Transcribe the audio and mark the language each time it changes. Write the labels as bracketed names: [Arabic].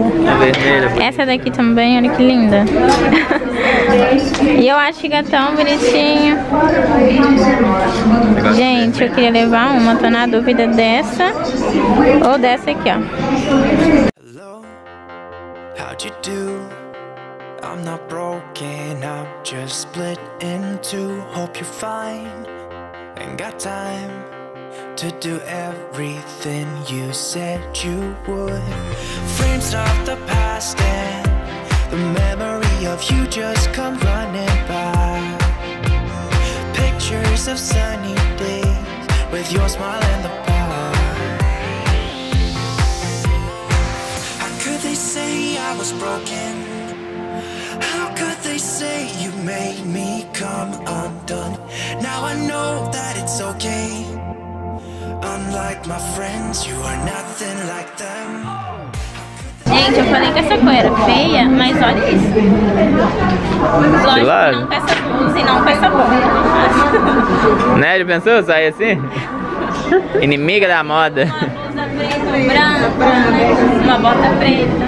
[Portuguese] A vermelha. Essa daqui também, olha que linda. E eu acho que é tão bonitinho. Gente, eu queria levar uma. Tô na dúvida dessa ou dessa aqui, ó. [English] Hello, how'd you do? I'm not broken, I'm just split in two. Hope you're fine. Ain't got time to do everything you said you would. Frames of the past and the memory of you just come running by. Pictures of sunny days with your smile in the park. How could they say I was broken? How could they say you made me come undone? Now I know that it's okay. Unlike my friends, you are nothing like them. [Portuguese] Gente, eu falei que essa cor era feia, mas olha isso. Lógico, não peça blusa e não peça bolsa. Né, já pensou sair assim? Inimiga da moda. Uma blusa preta, branca, né? Uma bota preta.